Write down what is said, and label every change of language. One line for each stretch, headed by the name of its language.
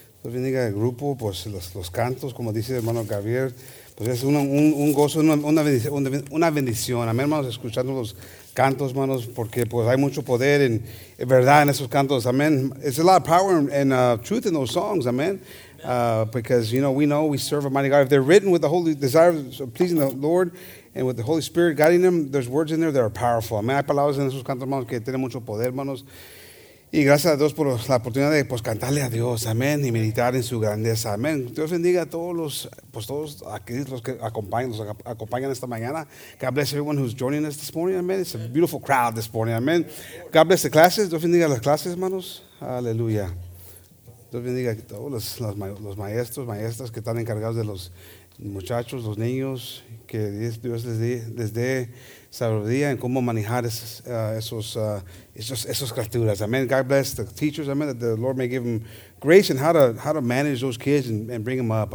Spanish: Dios bendiga el grupo, pues los cantos, como dice el hermano Gabriel. Pues es un gozo, una bendición. Amén, hermanos, escuchando los cantos, hermanos, porque pues hay mucho poder en verdad en esos cantos. Amén.
English: It's a lot of power and truth in those songs. Amén. Because, you know, we know we serve a mighty God. If they're written with the holy desire of pleasing the Lord and with the Holy Spirit guiding them, there's words in there that are powerful.
Spanish: Amén. Hay palabras en esos cantos, hermanos, que tienen mucho poder, hermanos. Y gracias a Dios por la oportunidad de pues, cantarle a Dios, amén, y meditar en su grandeza, amén. Dios bendiga a todos los, pues todos aquí los que acompañan esta mañana.
English: God bless everyone who's joining us this morning, amén. It's a beautiful crowd this morning, amén. God bless the classes.
Spanish: Dios bendiga a las clases, hermanos. Aleluya. Dios bendiga a todos los maestros, maestras que están encargados de los muchachos, los niños, que Dios les dé sabiduría en cómo manejar esos criaturas.
English: Amen. God bless the teachers. Amen. That the Lord may give them grace and how to manage those kids and bring them up.